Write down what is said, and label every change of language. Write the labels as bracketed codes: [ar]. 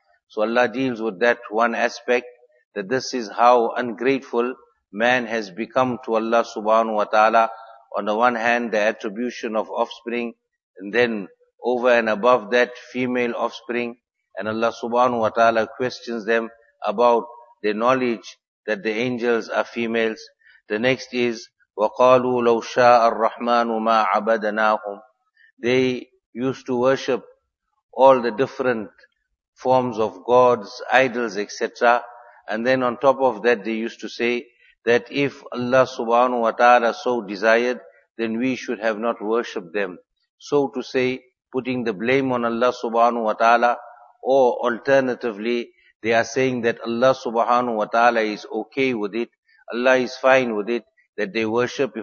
[en] So Allah deals with that one aspect, that this is how ungrateful man has become to Allah subhanahu wa ta'ala. On the one hand, the attribution of offspring, and then over and above that, female offspring, and Allah subhanahu wa ta'ala questions them about the knowledge that the angels are females. The next is, [ar] وَقَالُوا لَوْ شَاءَ الرَّحْمَانُ مَا عَبَدَنَاهُمْ. [en] They used to worship all the different forms of gods, idols, etc. And then on top of that, they used to say that if Allah subhanahu wa ta'ala so desired, then we should have not worshipped them. So to say, putting the blame on Allah subhanahu wa ta'ala, or alternatively, they are saying that Allah subhanahu wa ta'ala is okay with it, Allah is fine with it, that they worship.